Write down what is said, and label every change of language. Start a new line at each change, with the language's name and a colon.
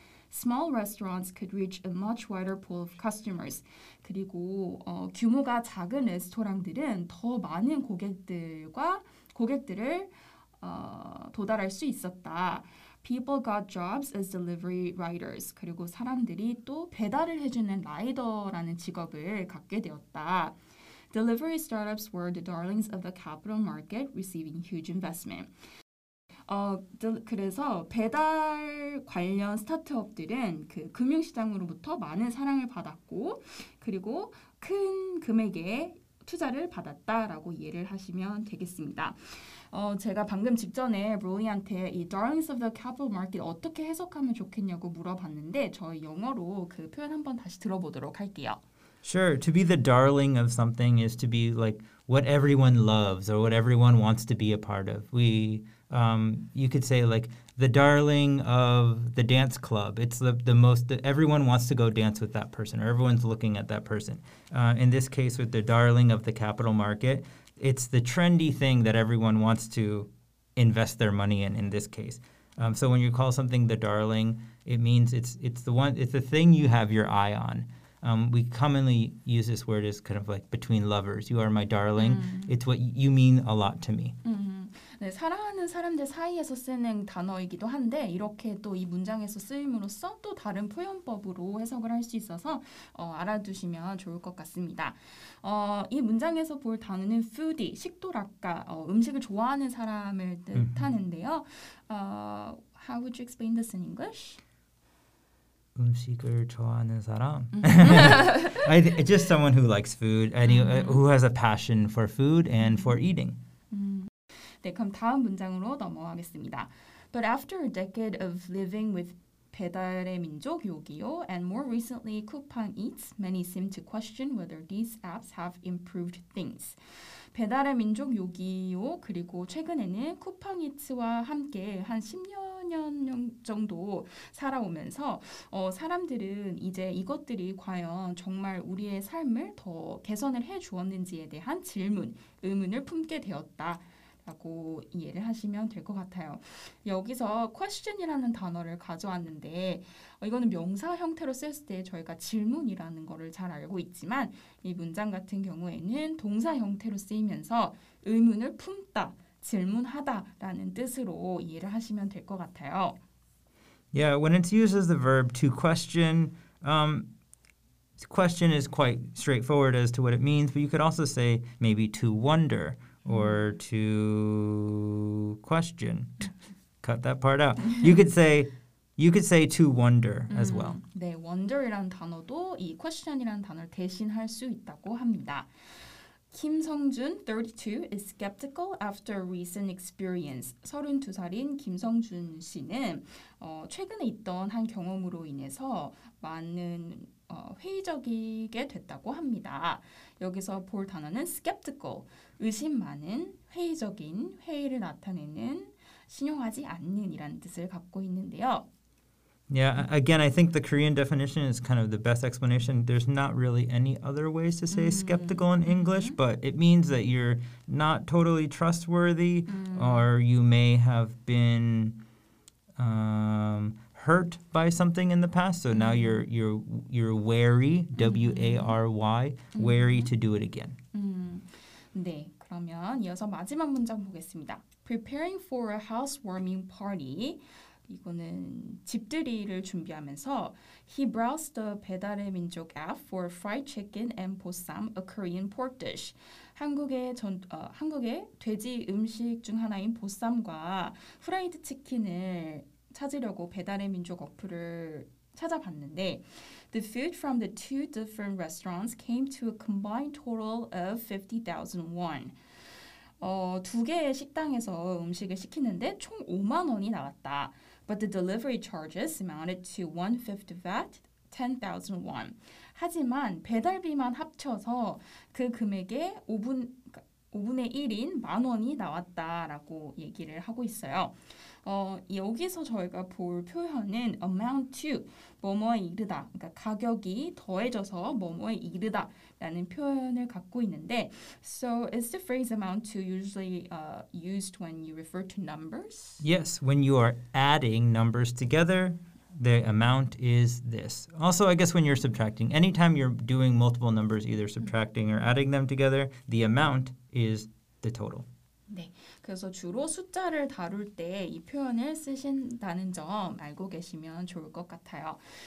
English: Small restaurants could reach a much wider pool of customers.
Korean: 그리고 규모가 작은 레스토랑들은 더 많은 고객들을 도달할 수 있었다.
English: People got jobs as delivery riders.
Korean: 그리고 사람들이 또 배달을 해주는 라이더라는 직업을 갖게 되었다.
English: Delivery startups were the darlings of the capital market, receiving huge investment.
Korean: 그래서 배달 관련 스타트업들은 그 금융시장으로부터 많은 사랑을 받았고 그리고 큰 금액의 투자를 받았다라고 이해를 하시면 되겠습니다. 제가 방금 직전에 롤리한테 이
English: darlings of the capital market
Korean: 어떻게 해석하면 좋겠냐고 물어봤는데 저희 영어로 그 표현 한번 다시 들어보도록 할게요.
English: Sure, to be the darling of something is to be like what everyone loves or what everyone wants to be a part of. You could say like the darling of the dance club. It's the most, everyone wants to go dance with that person or everyone's looking at that person. In this case, with the darling of the capital market, it's the trendy thing that everyone wants to invest their money in this case. So when you call something the darling, it means it's the thing you have your eye on. We commonly use this word as kind of like between lovers. You are my darling. It's what you mean a lot to me.
Korean: 네, 사랑하는 사람들 사이에서 쓰는 단어이기도 한데 이렇게 또 이 문장에서 쓰임으로써 또 다른 표현법으로 해석을 할 수 있어서 알아두시면 좋을 것 같습니다. 이 문장에서 볼 단어는 foodie, 식도락가, 음식을 좋아하는 사람을 뜻하는데요.
English: How would you explain this in English?
Korean: 음식을 좋아하는 사람.
English: just someone who likes food, who has a passion for food and for eating.
Korean: 네, 그럼 다음 문장으로 넘어가겠습니다.
English: But after a decade of living with 배달의 민족 요기요 and more recently Coupang Eats, many seem to question whether these apps have improved things.
Korean: 배달의 민족 요기요 그리고 최근에는 쿠팡 이츠와 함께 한 10년 정도 살아오면서 사람들은 이제 이것들이 과연 정말 우리의 삶을 더 개선을 해 주었는지에 대한 의문을 품게 되었다. 라고 이해를 하시면 될 것 같아요. 여기서 question이라는 단어를 가져왔는데 이거는 명사 형태로 쓰였을 때 저희가 질문이라는 거를 잘 알고 있지만 이 문장 같은 경우에는 동사 형태로 쓰이면서 의문을 품다, 질문하다라는 뜻으로 이해를 하시면 될 것 같아요.
English: Yeah, when it's used as the verb to question, question is quite straightforward as to what it means, but you could also say maybe to wonder. Or to question. Cut that part out. You could say to wonder as well.
Korean: 네, wonder이라는 단어도 이 question이라는 단어를 대신할 수 있다고 합니다.
English: 김성준, 32, is skeptical after recent experience.
Korean: 32살인 김성준 씨는 최근에 있던 한 경험으로 인해서 많은 회의적이게 됐다고 합니다. 여기서 볼 단어는 skeptical, 의심 많은, 회의적인, 회의를 나타내는, 신용하지 않는 이라는 뜻을 갖고 있는데요.
English: Yeah, again, I think the Korean definition is kind of the best explanation. There's not really any other ways to say skeptical in English, but it means that you're not totally trustworthy or you may have been hurt by something in the past, so now you're wary, W-A-R-Y, wary to do it again.
Korean: 네, 그러면 이어서 마지막 문장 보겠습니다.
English: Preparing for a housewarming party.
Korean: 이거는 집들이를 준비하면서
English: He browsed the 배달의 민족 app for fried chicken and bossam, a Korean pork dish.
Korean: 한국의 돼지 음식 중 하나인 보쌈과 후라이드 치킨을 찾으려고 배달의 민족 어플을 찾아봤는데
English: The food from the two different restaurants came to a combined total of 50,000 won.
Korean: 두 개의 식당에서 음식을 시키는데 총 5만 원이 나왔다.
English: But the delivery charges amounted to one-fifth of that, 10,000 won.
Korean: 하지만 배달비만 합쳐서 그 금액의 5분의 1인 만 원이 나왔다라고 얘기를 하고 있어요. 여기서 저희가 볼 표현은 amount to, 뭐뭐에 이르다, 그러니까 가격이 더해져서 뭐뭐에 이르다 라는 표현을 갖고 있는데
English: So is the phrase amount to usually used when you refer to numbers? Yes, when you are adding numbers together, the amount is this. Also, I guess when you're subtracting, anytime you're doing multiple numbers, either subtracting or adding them together, the amount is the total.
Korean: 네, 그래서 주로 숫자를 다룰 때 이 표현을 쓰신다는 점 알고 계시면 좋을 것 같아요.